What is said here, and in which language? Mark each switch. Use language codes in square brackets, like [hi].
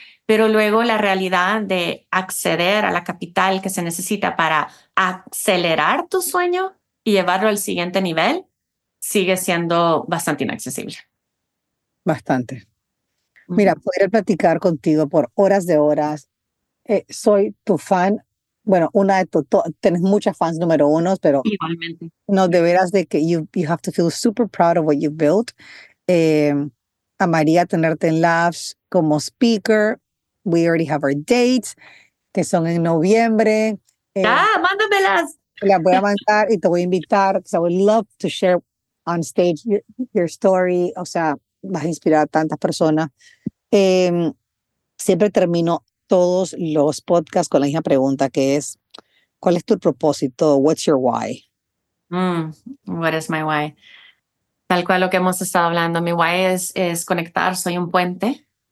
[es] Pero luego la realidad de acceder a la capital que se necesita para acelerar tu sueño y llevarlo al siguiente nivel sigue siendo bastante inaccesible. Bastante. Mira, poder platicar contigo por horas de horas. Soy tu fan. Bueno, una de tienes muchas fans número uno, pero igualmente. No, de veras, de que [en] you have to feel super proud of what you've built. [es] Amaría tenerte en Labs como speaker. [en] We already have our dates, [es] que son en noviembre. ¡Mándamelas! Las voy a mandar y te voy a invitar. [en] So I would love to share on stage your story. [es] O sea, vas a inspirar a tantas personas. Siempre termino todos los podcasts con la misma pregunta, que es, ¿cuál es tu propósito? [en] What's your why? What is my why? [es] Tal cual lo que hemos estado hablando, mi why es conectar, soy un puente.